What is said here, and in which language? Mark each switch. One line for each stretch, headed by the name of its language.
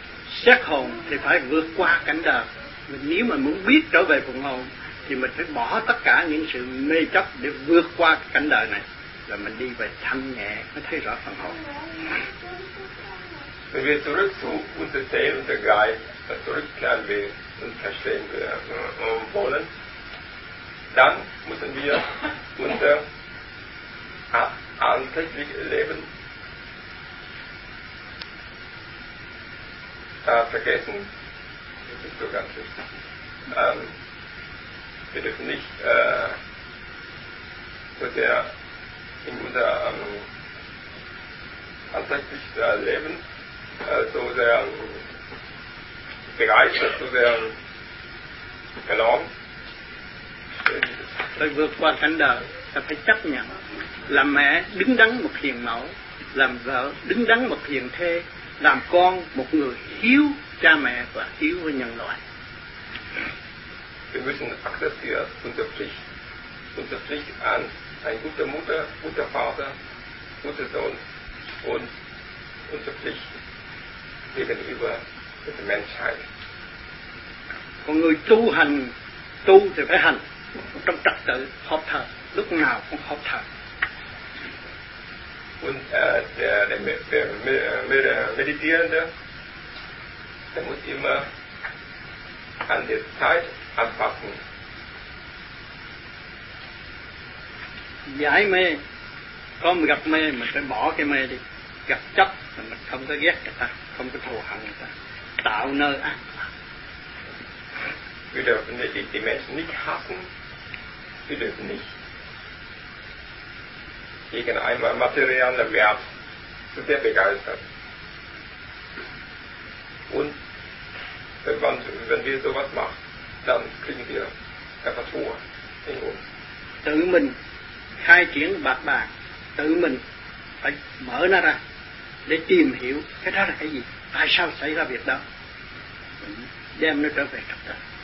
Vietnamese: Xét hồn thì phải vượt qua cảnh đời. Mình nếu mà muốn biết trở về phần hồn, thì mình phải bỏ tất cả những sự mê chấp để vượt qua cảnh đời này. Là mình đi về thanh nhẹ, mới thấy rõ phần hồn.
German: Wenn wir zurück zu unserer Seele, unser Geist, zurückkehren will und verstehen wir wollen, dann müssen wir unser alltägliches Leben vergessen. Das ist so ganz wichtig. Wir dürfen nicht so sehr in unser alltägliches Leben so sehr begeistert, so sehr gelaunt.
Vietnamese: Phải vượt qua cảnh đời, ta phải chấp nhận. Làm mẹ đứng đắn một hiền mẫu, làm vợ đứng đắn một hiền thê, làm con một người hiếu cha mẹ và hiếu với nhân loại.
German: Wir müssen akzeptieren unsere Pflicht an eine gute Mutter, guter Vater, guter Sohn und unsere Pflicht gegenüber der Menschheit.
Vietnamese: Còn người tu hành, tu thì phải hành trong trật tự học thật, lúc nào cũng học thật.
German: Und der Meditierende, der muss immer an die Zeit anpassen.
Vietnamese: Giải mê, không gặp mê, mình phải bỏ cái mê đi. Gặp chấp, mình không có ghét người ta, không có thù hận người ta. Tạo nơi an lạc.
German: Wir dürfen die Menschen nicht hassen. Wir dürfen nicht gegen einen materiellen Wert zu sehr begeistert. Und wenn wir sowas machen, dann kriegen wir etwas Ruhe in uns.
Vietnamese: Tự mình khai triển bạc bàn, tự mình phải mở nó ra để tìm hiểu cái đó là cái gì, tại sao xảy ra việc đó, đem nó trở về trật tự.